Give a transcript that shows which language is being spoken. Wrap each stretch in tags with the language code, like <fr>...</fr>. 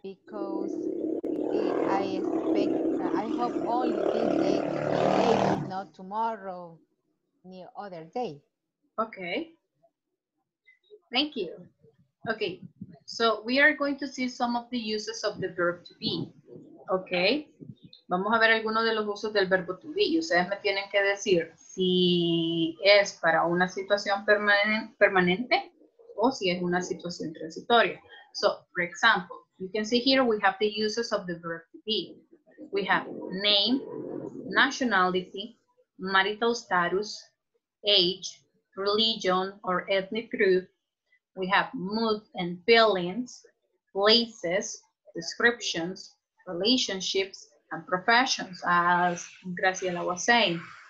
<en>Because I expect, I hope only this day, not tomorrow, ni other day. Okay. Thank you. Okay. So we are going to see some of the uses of the verb to be. Okay.</en> <es>Vamos a ver algunos de los usos del verbo to be. Ustedes me tienen que decir si es para una situación permanente o si es una situación transitoria.</es> <en>So, for example, you can see here we have the uses of the verb to be. We have name, nationality, marital status, age, religion or ethnic group. We have mood and feelings, places, descriptions, relationships, and professions, as Graciela was saying.</en>